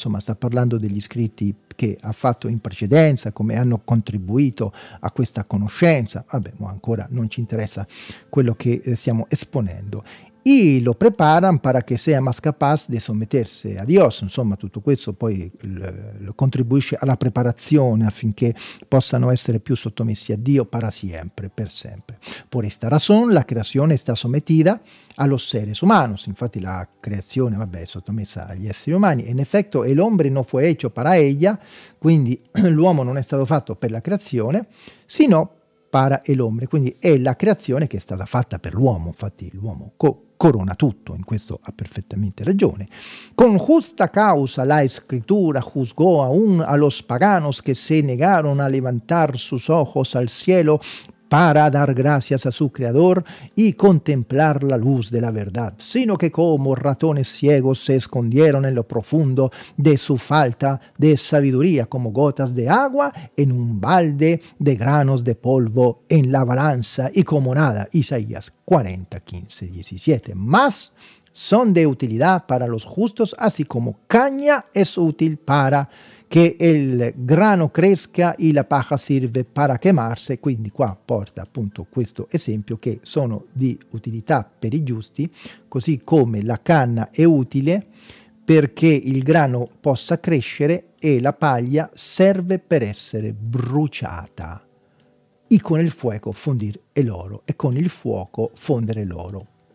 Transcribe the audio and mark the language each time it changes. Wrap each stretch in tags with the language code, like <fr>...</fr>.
<it>Insomma, sta parlando degli scritti che ha fatto in precedenza, come hanno contribuito a questa conoscenza. Vabbè, ma ancora non ci interessa quello che stiamo esponendo.</it> <es>Y lo preparan para que sea más capaz de someterse a Dios.</es> <it>Insomma, tutto questo poi contribuisce alla preparazione affinché possano essere più sottomessi a Dio</it> <es>para siempre,</es> <it>per sempre.</it> <es>Por esta razón, la creación está sometida a los seres humanos.</es> <it>Infatti la creazione, vabbè, è sottomessa agli esseri umani.</it> <es>En efecto, el hombre no fue hecho para ella,</es> <it>quindi l'uomo non è stato fatto per la creazione,</it> <es>sino para el hombre.</es> <it>Quindi è la creazione che è stata fatta per l'uomo. Infatti l'uomo corona tutto, in questo ha perfettamente ragione.</it> <es>Con justa causa la escritura juzgó aún a los paganos que se negaron a levantar sus ojos al cielo para dar gracias a su creador y contemplar la luz de la verdad, sino que como ratones ciegos se escondieron en lo profundo de su falta de sabiduría, como gotas de agua en un balde de granos de polvo en la balanza y como nada. Isaías 40, 15, 17. Más son de utilidad para los justos, así como caña es útil para</es> <it>che il grano cresca</it> <es>e la paja sirve para quemarse.</es> <it>Quindi qua porta appunto questo esempio che sono di utilità per i giusti, così come la canna è utile perché il grano possa crescere e la paglia serve per essere bruciata e con il fuoco fondir l'oro e con il fuoco fondere l'oro.</it>